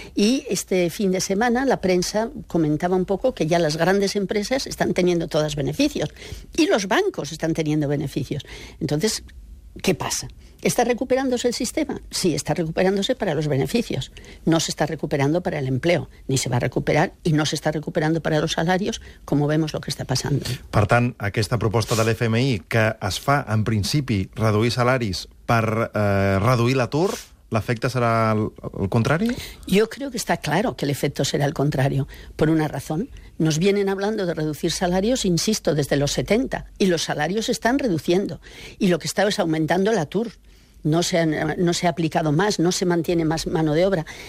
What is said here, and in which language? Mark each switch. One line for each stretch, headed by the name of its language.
Spanish: Y este fin de semana la prensa comentaba un poco que ya las grandes empresas están teniendo todas beneficios. Y los bancos están teniendo beneficios. Entonces, ¿qué pasa? ¿Está recuperándose el sistema? Sí, está recuperándose para los beneficios. No se está recuperando para el empleo, ni se va a recuperar, y no se está recuperando para los salarios, como vemos lo que está pasando.
Catalan: Per tant, aquesta proposta de l'FMI, que es fa, en principi, reduir salaris per reduir l'atur, ¿l'efecte serà el contrari?
Spanish: Yo creo que está claro que el efecto será el contrario, por una razón. Nos vienen hablando de reducir salarios, insisto, desde los 70, y los salarios se están reduciendo. Y lo que está es aumentando la TUR. No se ha aplicado más, no se mantiene más mano de obra.